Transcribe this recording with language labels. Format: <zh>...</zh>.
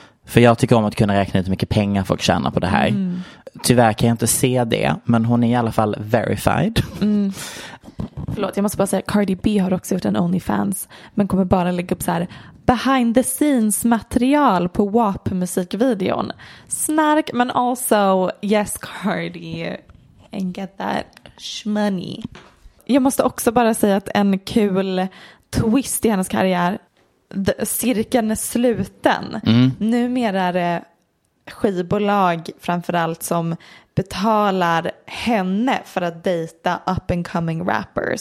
<sv>För jag tycker om att kunna räkna ut hur mycket pengar folk tjänar på det här. Tyvärr kan jag inte se det, men hon är i alla fall verified. Förlåt, jag måste bara säga att Cardi B har också gjort en OnlyFans, men kommer bara lägga upp så här behind the scenes material på WAP musikvideon.</sv> <en>Snark, men also yes Cardi, and get that shmoney.</en> <sv>Jag måste också bara säga att en kul twist i hennes karriär, cirkeln är sluten. Numera är det skivbolag framförallt som betalar henne för att dejta up and coming rappers.</sv>